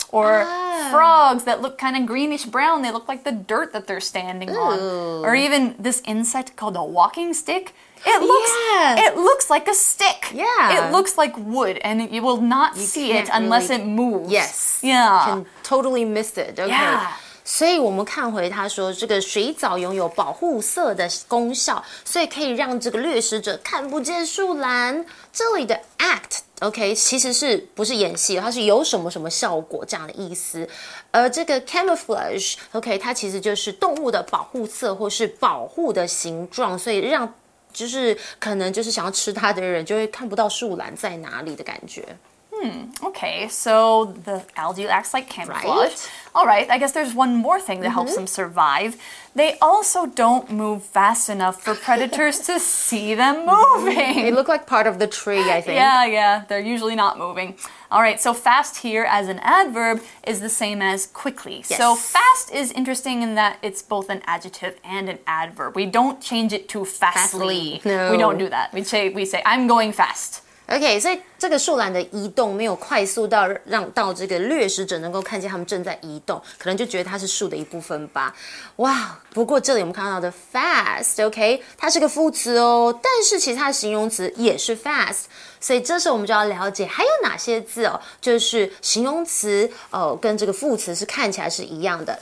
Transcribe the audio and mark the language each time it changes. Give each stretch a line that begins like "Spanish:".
English: Or frogs that look kind of greenish-brown. They look like the dirt that they're standing on. Or even this insect called a walking stick. It looks like a stick. Yeah. It looks like wood, and you will not you see it unless really... it moves. Yes. Yeah. Can totally miss it. Okay. Yeah.
Chinese: 所以我们看回他说这个水藻拥有保护色的功效所以可以让这个掠食者看不见树懒这里的 act OK 其实是不是演戏它是有什么什么效果这样的意思而这个 camouflage OK 它其实就是动物的保护色或是保护的形状所以让就是可能就是想要吃它的人就会看不到树懒在哪里的感觉
English: Okay, so the algae acts like camouflage. Right? All right, I guess there's one more thing that helps them survive. They also don't move fast enough for predators to see them moving. They look like part of the tree, I think. Yeah, they're usually not moving. All right, so fast here as an adverb is the same as quickly. Yes. So fast is interesting in that it's both an adjective and an adverb. We don't change it to fastly. No. We don't do that. We say, I'm going fast.
Chinese: OK, 所以这个树懒的移动没有快速到让到这个掠食者能够看见他们正在移动可能就觉得它是树的一部分吧。哇、wow, 不过这里我们看到的 fast, OK, 它是个副词哦但是其实它的形容词也是 fast, 所以这时候我们就要了解还有哪些字哦就是形容词、哦、跟这个副词是看起来是一样的。